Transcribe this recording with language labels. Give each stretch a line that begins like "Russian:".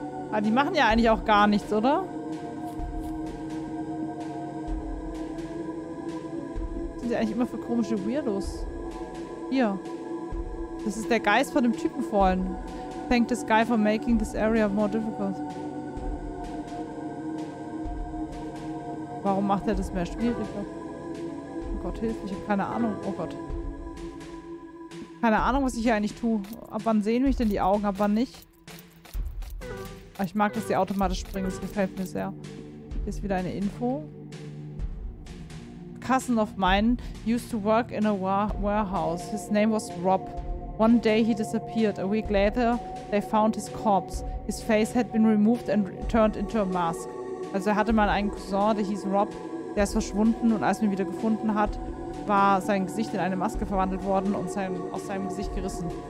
German: Aber die machen ja eigentlich auch gar nichts, oder? Was sind die eigentlich immer für komische Weirdos? Hier. Das ist der Geist von dem Typen vorhin.
English: Thank this guy for making this area more difficult.
German: Warum macht er das mehr schwieriger? Oh Gott, hilf, ich habe keine Ahnung. Oh Gott. Keine Ahnung, was ich hier eigentlich tue. Ab wann sehen mich denn die Augen, ab wann nicht? Ich mag, dass die automatisch springen, das gefällt mir sehr. Hier ist wieder eine Info.
English: Cousin of mine used to work in a warehouse. His name was Rob. One day he disappeared. A week later they found his corpse. His face had been removed and turned into a mask.
German: Also er hatte mal einen Cousin, der hieß Rob. Der ist verschwunden und als man ihn wieder gefunden hat, war sein Gesicht in eine Maske verwandelt worden und aus seinem Gesicht gerissen.